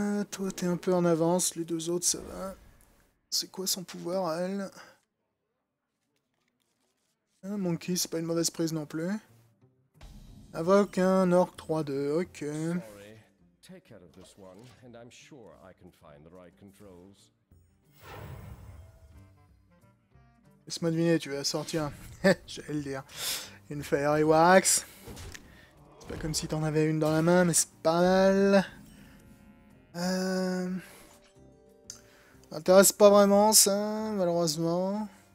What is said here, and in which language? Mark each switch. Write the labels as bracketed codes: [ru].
[fr] Toi t'es un peu en avance, les deux autres ça va. C'est quoi son pouvoir à elle? Un monkey, c'est pas une mauvaise prise non plus. Invoque un orc 3-2, ok. [en] Take care of this one, and I'm sure I can find the right controls. [fr] Laisse-moi deviner, tu vas sortir. J'allais le dire. Une Fairy Wax. C'est pas comme si t'en avais une dans la main, mais c'est pas mal. M'intéresse pas vraiment, ça, malheureusement.